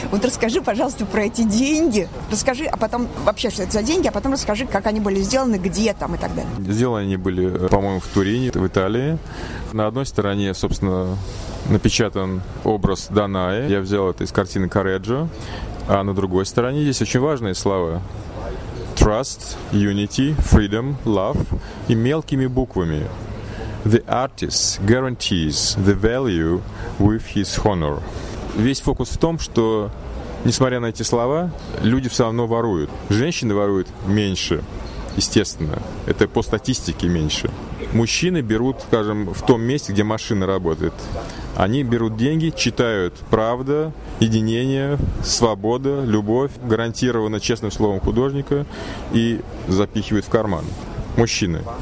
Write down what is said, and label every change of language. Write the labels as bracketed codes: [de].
[ru] Вот расскажи, пожалуйста, про эти деньги. Расскажи, а потом вообще, что это за деньги, а потом расскажи, как они были сделаны, где там и так далее. Сделаны они были, по-моему, в Турине, в Италии. На одной стороне, собственно, напечатан образ Данаи. Я взял это из картины Кареджо. А на другой стороне здесь очень важные слова. [en] Trust, unity, freedom, love. [ru] И мелкими буквами. [en] The artist guarantees the value with his honor. [ru] Весь фокус в том, что, несмотря на эти слова, люди все равно воруют. Женщины воруют меньше. Естественно, это по статистике меньше. Мужчины берут, скажем, в том месте, где машина работает. Они берут деньги, читают «Правда», «Единение», «Свобода», «Любовь», гарантированно честным словом художника, и запихивают в карман. Мужчины.